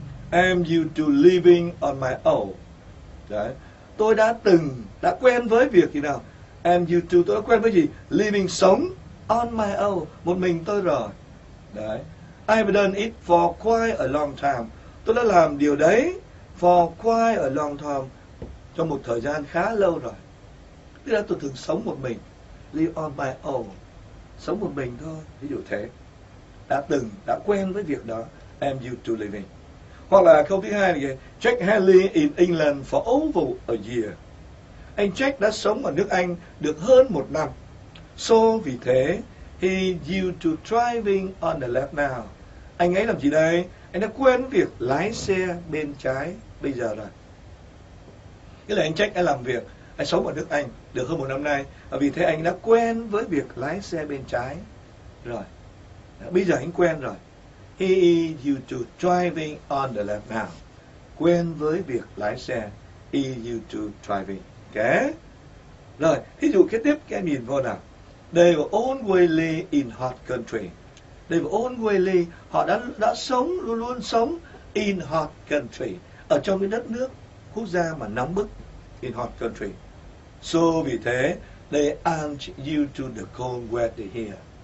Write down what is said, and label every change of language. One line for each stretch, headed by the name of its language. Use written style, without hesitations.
English: I'm used to living on my own.
Vietnamese: Đấy. Tôi đã từng, đã quen với việc gì nào?
English: I'm used to,
Vietnamese: tôi đã quen với gì?
English: Living,
Vietnamese: sống
English: on my own.
Vietnamese: Một mình tôi rồi. Đấy.
English: I've done it for quite a long time.
Vietnamese: Tôi đã làm điều đấy
English: for quite a long time,
Vietnamese: trong một thời gian khá lâu rồi. Tức là tôi thường sống một mình.
English: Live on my own.
Vietnamese: Sống một mình thôi. Ví dụ thế. Đã từng, đã quen với việc đó.
English: I'm used to living.
Vietnamese: Hoặc là câu thứ hai này.
English: Jack Henley in England for over a year.
Vietnamese: Anh Jack đã sống ở nước Anh được hơn một năm.
English: So,
Vietnamese: vì thế,
English: he's used to driving on the left now.
Vietnamese: Anh ấy làm gì đây? Anh đã quen việc lái xe bên trái bây giờ rồi. Nghĩa là anh Jack đã làm việc, anh sống ở nước Anh được hơn một năm nay. Và vì thế anh đã quen với việc lái xe bên trái rồi. Bây giờ anh quen rồi.
English: He is used to driving on the left now.
Vietnamese: Quen với việc lái xe.
English: He is used to driving.
Vietnamese: Okay. Rồi, ví dụ kế tiếp các em nhìn vô nào.
English: They were always live in hot country. They were always
Vietnamese: họ đã sống luôn luôn sống
English: in hot country,
Vietnamese: ở trong cái đất nước quốc gia mà nóng bức, in hot country.
English: So
Vietnamese: vì thế
English: they aren't used to the cold weather here.